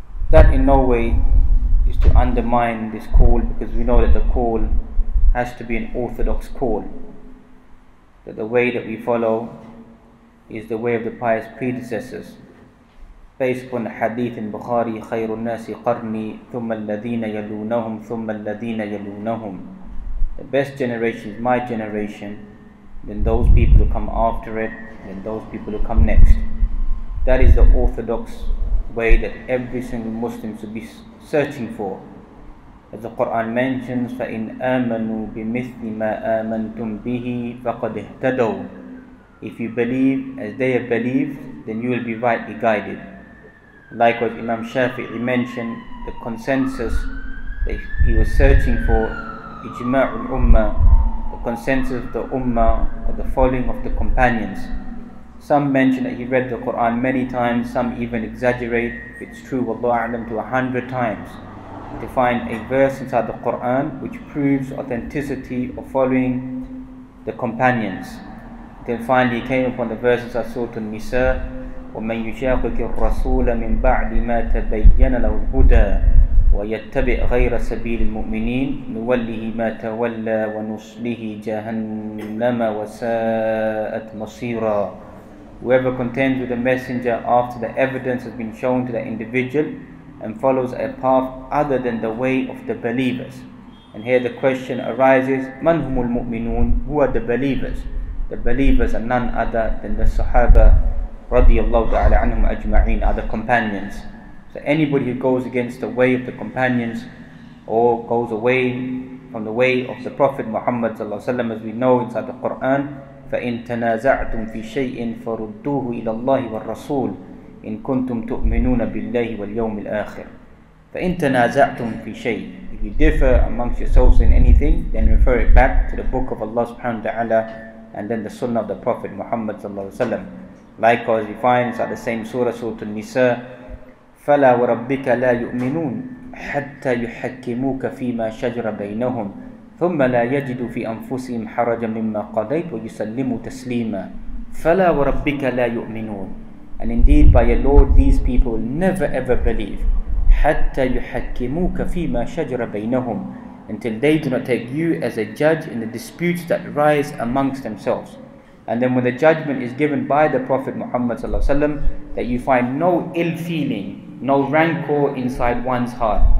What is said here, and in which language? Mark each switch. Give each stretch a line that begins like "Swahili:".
English: That in no way is to undermine this call, because we know that the call has to be an orthodox call, that the way that we follow is the way of the pious predecessors, based upon the hadith in Bukhari,
Arabic: خَيْرُ النَّاسِ قَرْنِي ثُمَّ الَّذِينَ يَلُونَهُمْ
English: ثُمَّ الَّذِينَ يَلُونَهُمْ. The best generation is my generation, then those people who come after it, then those people who come next. That is the orthodox way that every single Muslim should be searching for. As the Quran mentions,
Arabic: فَإِنْ آمَنُوا بِمِثْلِ مَا آمَنْتُمْ بِهِ فَقَدْ اهْتَدَوْا.
English: If you believe as they have believed, then you will be rightly guided. Likewise, Imam Shafi'i mentioned the consensus that he was searching for,
Arabic: إِجْمَاعُ الْأُمَّةِ,
English: the consensus of the Ummah, or the following of the companions. Some mention that he read the Quran many times, some even exaggerate, if it's true, Wallahu A'lam, to 100 times, to find a verse inside the Quran which proves authenticity of following the companions. Then finally he came upon the verse inside Surah An-Nisa,
Arabic: وَمَنْ يُشَاقِكِ الرَّسُولَ مِنْ بَعْدِ مَا تَبَيَّنَ لَهُ الْهُدَى وَيَتَّبِعْ غَيْرَ سَبِيلِ الْمُؤْمِنِينَ نُوَلِّهِ مَا تَوَلَّى وَنُصْلِهِ جَهَنَّمَ وَسَاءَتْ مَصِيرًا.
English: Whoever contends with the messenger after the evidence has been shown to that individual and follows a path other than the way of the believers. And here the question arises,
Arabic: مَنْ هُمُ الْمُؤْمِنُونَ,
English: who are the believers? The believers are none other than the Sahaba radiallahu ta'ala anhum ajma'een, are the companions. So anybody who goes against the way of the companions or goes away from the way of the Prophet Muhammad sallallahu alayhi wa sallam, as we know inside the Quran,
Arabic: فَإِنْ تَنَازَعْتُمْ فِي شَيْءٍ فَرُدُّوهُ إِلَى اللَّهِ وَالرَّسُولِ إِنْ كُنْتُمْ تُؤْمِنُونَ بِاللَّهِ وَالْيَوْمِ الْآخِرِ. فَإِنْ تَنَازَعْتُمْ فِي شَيْءٍ,
English: if you differ amongst yourselves in anything, then refer it back to the book of Allah subhanahu wa ta'ala and then the sunnah of the Prophet Muhammad sallallahu alayhi wa sallam. Likewise, we find inside the same surah, Surah An-Nisa,
Arabic: فَلَا وَرَبِّكَ لَا يُؤْمِنُونَ حَتَّى يُحَكِّمُوكَ فِي مَا شَجْرَ بَيْنَهُمْ ثُمَّ لَا يَجِدُوا فِي أَنفُسِهِمْ حَرَجًا مِمَّا قَضَيْتُ وَيُسَلِّمُوا تَسْلِيمًا. فَلَا وَرَبِّكَ لَا يُؤْمِنُونَ,
English: and indeed by your Lord these people will never ever believe,
Arabic: حَتَّى يُحَكِّمُوكَ فِي مَا شَجْرَ بَيْنَهُمْ,
English: until they do not take you as a judge in the disputes that rise amongst themselves. And then when the judgment is given by the Prophet Muhammad sallallahu alaihi wasallam, that you find no ill feeling, no rancor inside one's heart.